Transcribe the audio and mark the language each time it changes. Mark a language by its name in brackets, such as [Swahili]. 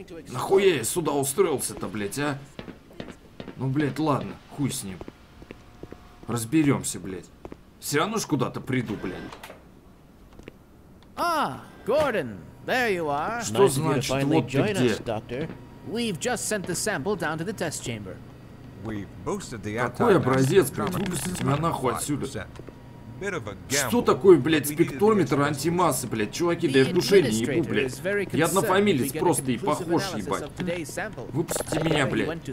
[Russian] Нахуя я сюда устроился-то, блядь, а? Ну, блядь, ладно, хуй с ним. Разберемся, блядь. Все равно ж куда-то приду, блядь. [English] Гордон, there you are. [Russian] Что значит, вот ты где? [English] We've just sent the sample down to the test chamber. [Russian] Какой образец, блядь, выпустите меня нахуй отсюда. Что такое, блядь, спектрометр антимассы, блядь? Чуваки, да я в душе не ебу, блядь. Я однофамилец просто и похож, ебать. Выпустите меня, блядь.